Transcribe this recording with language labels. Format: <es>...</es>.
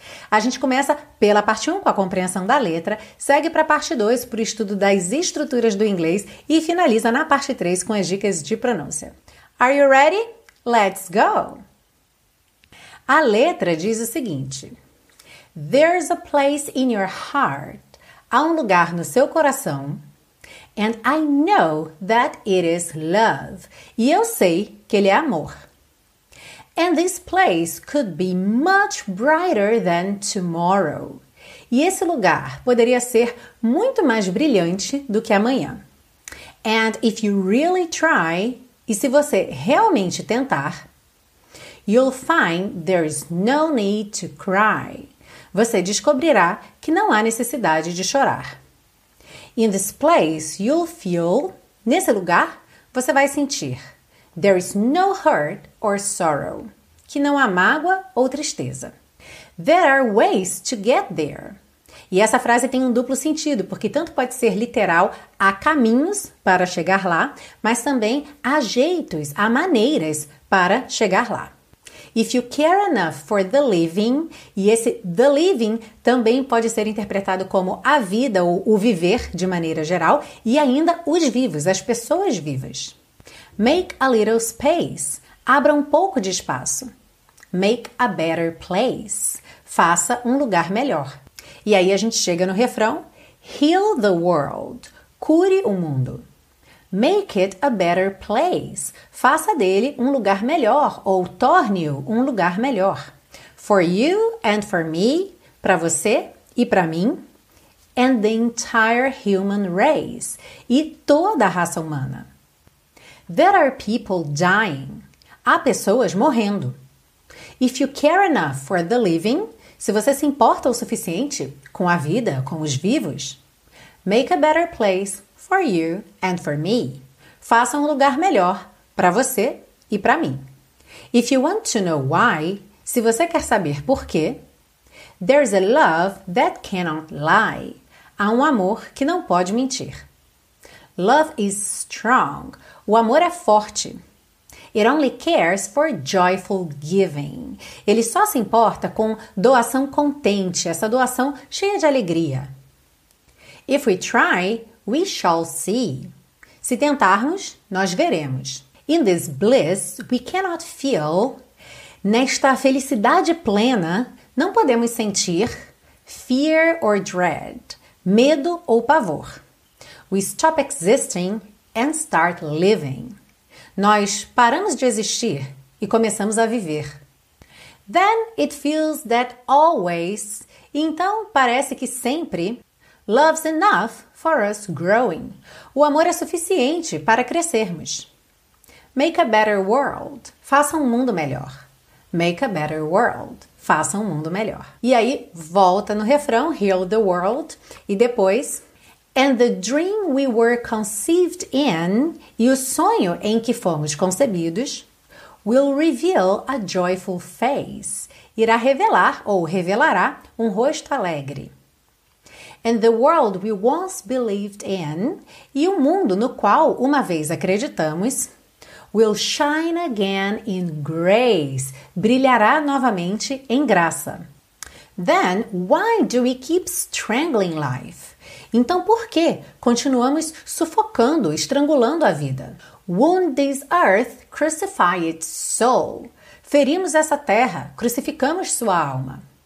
<pt>A gente começa pela parte 1, com a compreensão da letra, segue para a parte 2, para o estudo das estruturas do inglês e finaliza na parte 3 com as dicas de pronúncia.</pt> <en>Are you ready? Let's go!</en> <pt>A letra diz o seguinte:</pt> <en>There's a place in your heart.</en> <pt>Há um lugar no seu coração.</pt> <en>And I know that it is love.</en> <pt>E eu sei que ele é amor.</pt> <en>And this place could be much brighter than tomorrow.</en> <pt>E esse lugar poderia ser muito mais brilhante do que amanhã.</pt> <en>And if you really try,</en> <pt>e se você realmente tentar,</pt> <en>you'll find there's no need to cry.</en> <pt>Você descobrirá que não há necessidade de chorar.</pt> <en>In this place, you'll feel,</en> <pt>nesse lugar, você vai sentir.</pt> <en>There is no hurt or sorrow.</en> <pt>Que não há mágoa ou tristeza.</pt> <en>There are ways to get there.</en> <pt>E essa frase tem um duplo sentido, porque tanto pode ser literal, há caminhos para chegar lá, mas também há jeitos, há maneiras para chegar lá.</pt> <en>If you care enough for the living,</en> <pt>e esse the living também pode ser interpretado como a vida ou o viver de maneira geral, e ainda os vivos, as pessoas vivas.</pt> <en>Make a little space.</en> <pt>Abra um pouco de espaço.</pt> <en>Make a better place.</en> <pt>Faça um lugar melhor. E aí a gente chega no refrão.</pt> <en>Heal the world.</en> <pt>Cure o mundo.</pt> <en>Make it a better place.</en> <pt>Faça dele um lugar melhor. Ou torne-o um lugar melhor.</pt> <en>For you and for me.</en> <pt>Para você e para mim.</pt> <en>And the entire human race.</en> <pt>E toda a raça humana.</pt> <en>There are people dying.</en> <pt>Há pessoas morrendo.</pt> <en>If you care enough for the living,</en> <pt>se você se importa o suficiente com a vida, com os vivos,</pt> <en>make a better place for you and for me.</en> <pt>Faça um lugar melhor para você e para mim.</pt> <en>If you want to know why,</en> <pt>se você quer saber por quê,</pt> <en>there's a love that cannot lie.</en> <pt>Há um amor que não pode mentir.</pt> <en>Love is strong.</en> <pt>O amor é forte.</pt> <en>It only cares for joyful giving.</en> <pt>Ele só se importa com doação contente, essa doação cheia de alegria.</pt> <en>If we try, we shall see.</en> <pt>Se tentarmos, nós veremos.</pt> <en>In this bliss, we cannot feel.</en> <pt>Nesta felicidade plena, não podemos sentir</pt> <en>fear or dread,</en> <pt>medo ou pavor.</pt> <en>We stop existing and start living.</en> <pt>Nós paramos de existir e começamos a viver.</pt> <en>Then it feels that always,</en> <pt>então parece que sempre,</pt> <en>love's enough for us growing.</en> <pt>O amor é suficiente para crescermos.</pt> <en>Make a better world.</en> <pt>Faça um mundo melhor.</pt> <en>Make a better world.</en> <pt>Faça um mundo melhor. E aí, volta no refrão,</pt> <en>heal the world.</en> <pt>E depois,</pt> <en>and the dream we were conceived in,</en> <pt>e o sonho em que fomos concebidos,</pt> <en>will reveal a joyful face.</en> <pt>Irá revelar, ou revelará, um rosto alegre.</pt> <en>And the world we once believed in,</en> <pt>e o mundo no qual uma vez acreditamos,</pt> <en>will shine again in grace,</en> <pt>brilhará novamente em graça.</pt> <en>Then, why do we keep strangling life?</en> <pt>Então, por que continuamos sufocando, estrangulando a vida?</pt> <en>Wound this earth, crucify its soul.</en> <pt>Ferimos essa terra, crucificamos sua alma.</pt>